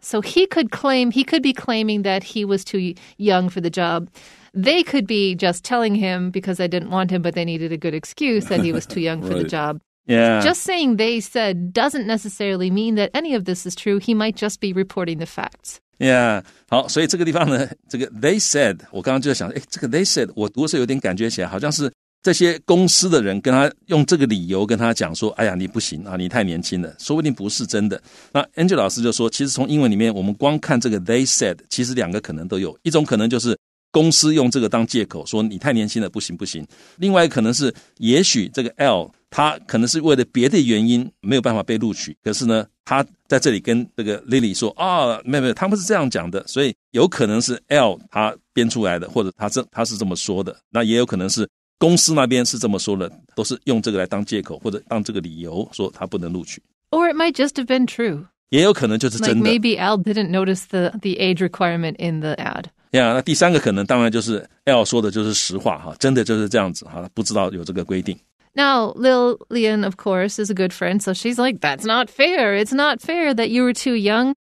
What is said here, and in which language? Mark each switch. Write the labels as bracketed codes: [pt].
[en] So he could be claiming that he was too young for the job. They could be just telling him because they didn't want him, but they needed a good excuse that he was too young for the job. Yeah. Just saying they said doesn't necessarily mean that any of this is true. He might just be reporting the facts. Yeah. [zh] 好，所以这个地方呢，这个 [en] they said, [zh] 我刚刚就在想，诶，这个 they said, 我读的时候有点感觉起来好像是这些公司的人跟他用这个理由跟他讲说，哎呀，你不行啊，你太年轻了，说不定不是真的。那 Angela 老师就说，其实从英文里面我们光看这个 [en] they said, [zh] 其实两个可能都有。一种可能就是公司用这个当借口说你太年轻了，不行不行。另外可能是也许这个 L,他可能是为了别的原因没有办法被录取，可是呢他在这里跟这个 Lily 说啊、哦，没有他们是这样讲的，所以有可能是 L 他编出来的，或者他是这么说的，那也有可能是公司那边是这么说的，都是用这个来当借口或者当这个理由说他不能录取。 [en] Or it might just have been true, [zh] 也有可能就是真的、 [en] like、maybe L didn't notice the age requirement in the ad. [zh] Yeah, 那第三个可能当然就是 L 说的就是实话，真的就是这样子，不知道有这个规定。 [en] Now, Lillian, of course, is a good friend, so she's like, that's not fair. It's not fair that you were too young.